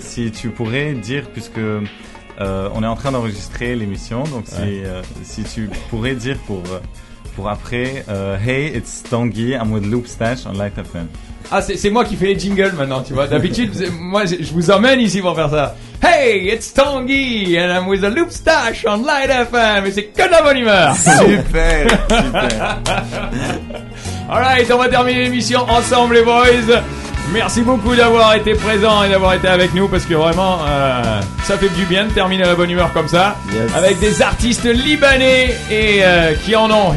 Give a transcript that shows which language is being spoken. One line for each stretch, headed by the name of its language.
French: Si tu pourrais dire, puisque. On est en train d'enregistrer l'émission, donc ouais. Si tu pourrais dire pour après,
English: hey, it's Tanguy, I'm with Loopstache on Light FM.
French: Ah, c'est moi qui fais les jingles maintenant, tu vois. D'habitude, moi, je vous emmène ici pour faire ça.
English: Hey, it's Tanguy, and I'm with Loopstache on Light FM.
French: Et c'est que de la bonne humeur. Super.
English: All right,
French: on va terminer l'émission ensemble, les boys. Merci beaucoup d'avoir été présent et d'avoir été avec nous parce que vraiment, ça fait du bien de terminer à la bonne humeur comme ça.
English: Yes.
French: Avec des artistes libanais et qui en ont.